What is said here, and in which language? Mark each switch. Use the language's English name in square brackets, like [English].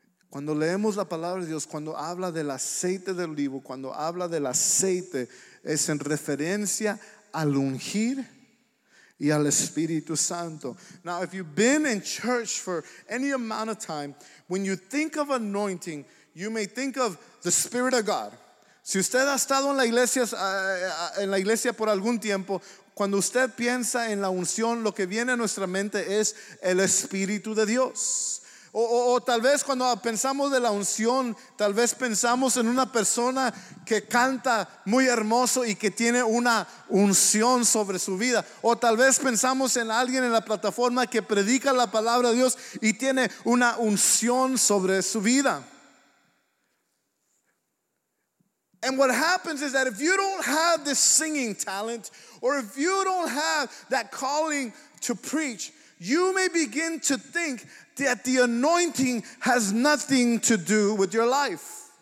[Spanish] Cuando leemos la palabra de Dios, cuando habla del aceite del olivo, cuando habla del aceite, es en referencia al ungir y al Espíritu Santo. [English] Now, if you've been in church for any amount of time, when you think of anointing, you may think of the Spirit of God. [Spanish] Si usted ha estado en la iglesia por algún tiempo, cuando usted piensa en la unción, lo que viene a nuestra mente es el Espíritu de Dios. O tal vez cuando pensamos de la unción, tal vez pensamos en una persona que canta muy hermoso y que tiene una unción sobre su vida. O tal vez pensamos en alguien en la plataforma que predica la palabra de Dios y tiene una unción sobre su vida. [English] And what happens is that if you don't have this singing talent, or if you don't have that calling to preach, you may begin to think that the anointing has nothing to do with your life.